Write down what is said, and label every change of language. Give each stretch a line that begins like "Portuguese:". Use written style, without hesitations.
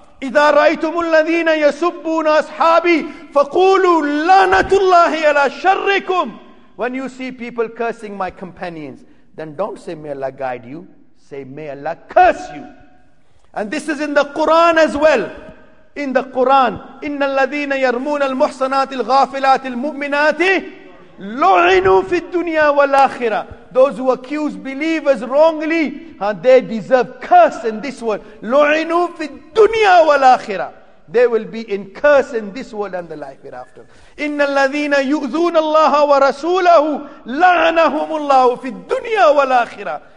Arabic: إِذَا رَأَيْتُمُ الَّذِينَ يَسُبُّونَ أَصْحَابِي فَقُولُوا لَعْنَةُ اللَّهِ عَلَى شَرِّكُمْ.
English: When you see people cursing my companions, then don't say, may Allah guide you. Say, may Allah curse you. And this is in the Quran as well. In the Quran,
Arabic: إِنَّ الَّذِينَ يَرْمُونَ الْمُحْصَنَاتِ الْغَافِلَاتِ الْمُؤْمِنَاتِ لُعِنُوا فِي الدُّنْيَا وَالْآخِرَةِ.
English: Those who accuse believers wrongly, they deserve curse in this world.
Arabic: لُعِنُوا فِي الدُّنْيَا وَالْآخِرَةِ.
English: They will be in curse in this world and the life hereafter.
Arabic: إِنَّ الَّذِينَ يُؤْذُونَ اللَّهَ وَرَسُولَهُ لَعَنَهُمُ اللَّهُ فِي الدُّنْيَا وَالْآخِرَةِ.